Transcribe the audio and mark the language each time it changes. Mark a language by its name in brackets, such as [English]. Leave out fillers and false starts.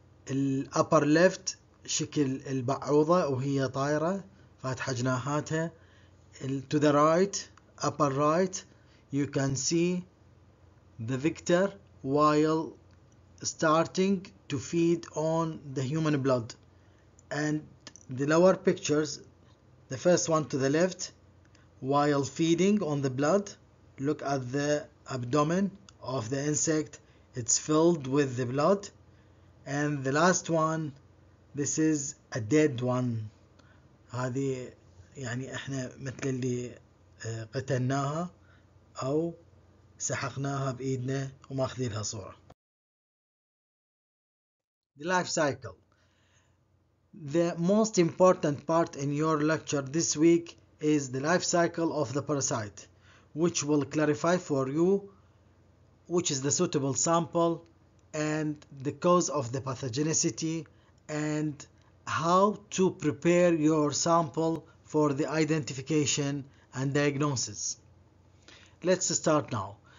[Arabic] الأبر ليفت شكل البعوضة وهي طائرة فاتحة جناحاتها. [English] To the right, upper right, you can see the victor while starting to feed on the human blood. And the lower pictures, the first one to the left, while feeding on the blood, look at the abdomen of the insect. It's filled with the blood. And the last one, this is a dead one. [Arabic] هذه يعني احنا مثل اللي قتلناها او سحقناها بايدنا وماخذين لها صورة. [English] The life cycle. The most important part in your lecture this week is the life cycle of the parasite, which will clarify for you which is the suitable sample and the cause of the pathogenicity and how to prepare your sample for the identification and diagnosis. Let's start now.